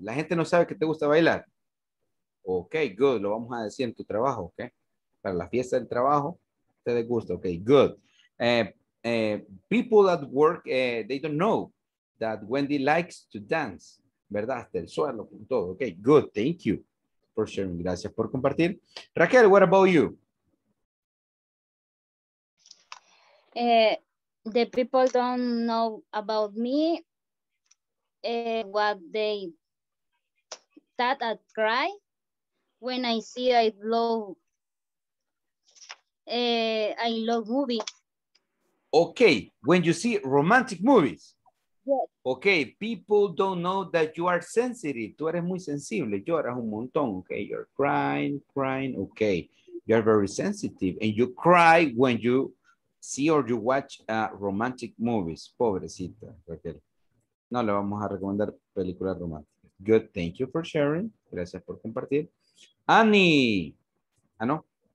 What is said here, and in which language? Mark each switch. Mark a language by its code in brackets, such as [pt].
[es] La gente no sabe que te gusta bailar. Okay, good. Lo vamos a decir en tu trabajo, okay? Para la fiesta del trabajo, te de gusto. [en] Okay, good. People at work, they don't know that Wendy likes to dance. [es] ¿Verdad? Hasta el suelo con todo. Okay, good. Thank you for sharing. Gracias por compartir. Raquel, [en] what about you? The people don't know about me. What they thought I'd cry when I see I love movies. Okay, when you see romantic movies. Yes. Okay, people don't know that you are sensitive. [es] Tú eres muy sensible, lloras un montón, okay? [en] You're crying, okay. You're very sensitive and you cry when you see or you watch romantic movies. [es] Pobrecita, Raquel. No le vamos a recomendar películas románticas. [en] Good, thank you for sharing. [es] Gracias por compartir. [en] Annie. Ah, no.